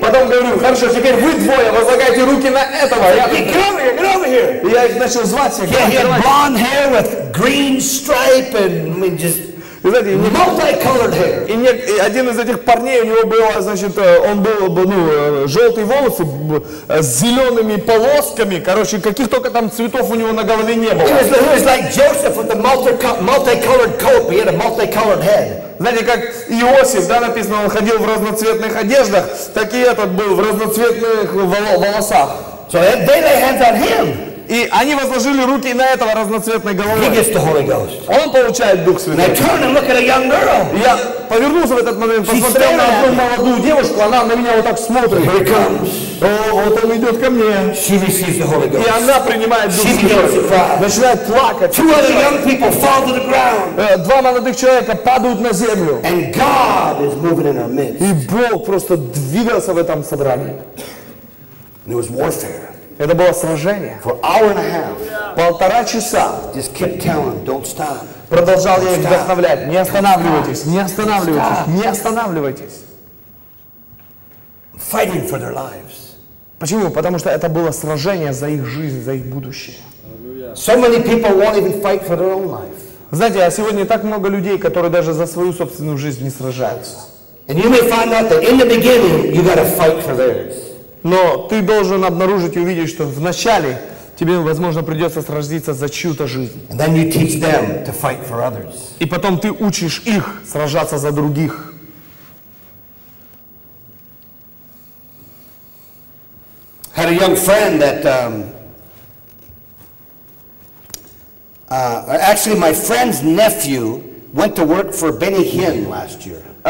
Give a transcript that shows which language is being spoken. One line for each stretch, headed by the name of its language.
Russian: Потом говорю, хорошо, теперь вы двое возлагайте руки на этого.
English: Get over here.
Russian: И я их начал звать.
English: Yeah, he had blonde hair with green stripe and I mean just.
Russian: И один из этих парней, у него было, значит, он был, ну, желтые волосы с зелеными полосками, короче, каких только там цветов у него на голове не было.
English: He was like Joseph with the multicolored coat, but he had a multicolored head.
Russian: Знаете, как Иосиф, да, написано, он ходил в разноцветных одеждах, так и этот был в разноцветных волосах.
English: So they lay hands on him.
Russian: И они возложили руки на этого разноцветной головы. Он получает Дух Святой. Я повернулся в этот момент, посмотрел на одну молодую девушку, она на меня вот так смотрит. Вот он идет ко мне. И она принимает Дух Святой. Начинает плакать. Два молодых человека падают на землю. И Бог просто двигался в этом собрании. Это было сражение.
English: For hour and a half.
Russian: Полтора часа.
English: Just keep telling, don't stop.
Russian: Продолжал я их вдохновлять. Не останавливайтесь, не останавливайтесь, не останавливайтесь.
English: Fighting for their lives.
Russian: Почему? Потому что это было сражение за их жизнь, за их будущее.
English: So many people won't even fight for their own life.
Russian: Знаете, а сегодня так много людей, которые даже за свою собственную жизнь не сражаются.
English: And you may find out that in the beginning you got to fight for theirs.
Russian: Но ты должен обнаружить и увидеть, что вначале тебе, возможно, придется сразиться за чью-то жизнь.
English: And then you teach them to fight for others.
Russian: И потом ты учишь их сражаться за других.
English: Had a young friend that, actually my friend's nephew went to work for Benny Hinn last year.